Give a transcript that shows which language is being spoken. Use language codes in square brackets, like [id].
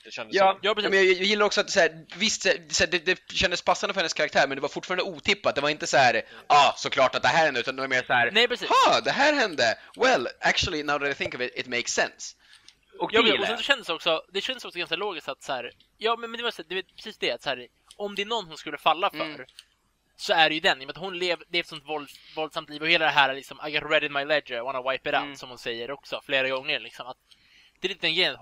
[sv] Ja, men jag gillar också att så här, visst, så här, det kändes passande för hennes karaktär, men det var fortfarande otippat. Det var inte så här, såklart att det här hände, utan det var mer så här, nej, precis. Det här hände. [en] Well, actually, now that I think of it, it makes sense. [sv] Och ja, och sen så kändes också, det kändes också ganska logiskt att så här, ja, men det var så här, det är precis det att så här, om det är någon hon skulle falla för, så är det ju den, i och med att hon levde ett sånt våldsamt liv. Och hela det här liksom, [en] I got red in my ledger, I wanna wipe it out, [sv] som hon säger också flera gånger liksom, att det är lite grejen.